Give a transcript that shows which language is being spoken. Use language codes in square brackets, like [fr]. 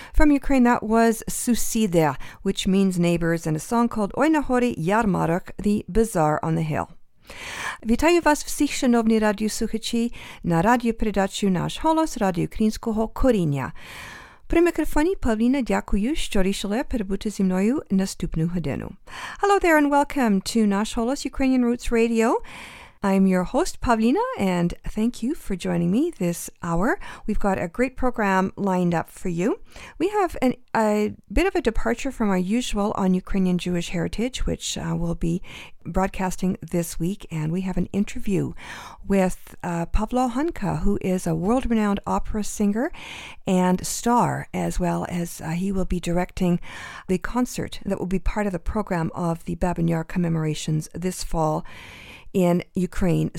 [en] Ukraine, that was Susida, which means neighbors, and a song called Oy Nahori Yarmarok, the Bazaar on the Hill. [uk] Вітаю вас всіх, шановні радіослухачі, на радіопередачі «Наш голос» Радіо Українського коріння. При мікрофоні Павліна, дякую, що рішили перебути зі мною наступну годину. [en] Hello there and welcome to «Наш голос» Ukrainian Roots Radio. I'm your host, Pavlina, and thank you for joining me this hour. We've got a great program lined up for you. We have a bit of a departure from our usual on Ukrainian Jewish heritage, which we'll be broadcasting this week, and we have an interview with Pavlo Hanka, who is a world-renowned opera singer and star, as well as he will be directing the concert that will be part of the program of the Babyn Yar commemorations this fall in Ukraine.